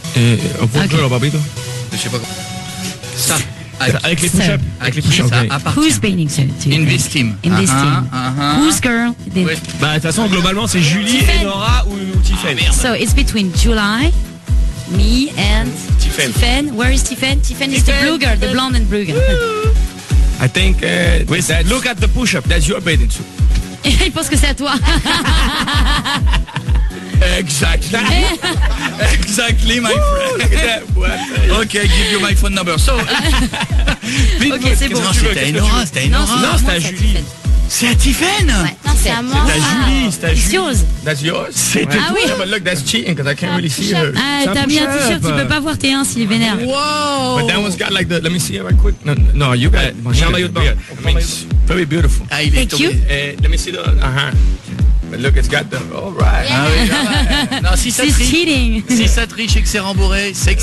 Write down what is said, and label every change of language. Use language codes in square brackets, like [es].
[en] Okay. Girl, Barbie, [fr] je sais pas quoi. Ça. Avec les push-ups. Avec les push-ups. [en] Okay. Whose bathing suit? In this team. In this team. Whose girl? [fr] De toute façon, globalement, c'est Julie, Enora ou Tiffany. [en] So it's between July. Me and Tiffen. Where is Tiffen? Tiffen is the blue girl, the blonde and blue girl. I think with that, look at the push-up, that's your bathing suit. [fr] Il pense que c'est à toi. [en] Exactly, my friend. Look at that. Okay, give you my phone number. So [fr] okay, c'est bon. Non, c'était Enora. Non, c'était Julie. C'est à Tiffen. Ouais. C'est à Julie. C'est à Julie. [en] It's yours. That's yours. [fr] C'est ah oui. [en] But look, that's cheating because I can't really see her. [fr] Ah, t'as mis un t-shirt, tu peux pas voir tes uns s'il est vénère. [en] Wow. But that one's got like the. Let me see it right quick. No, you got. It. [fr] Moi, j'ai un maillot de bain. [en] Very beautiful. Thank you. Let me see the. But look, it's got the. All right. [fr] Yeah. Ah oui. Non, si ça c'est triche. [en] Cheating. [fr] Si ça triche et que c'est rembourré, c'est que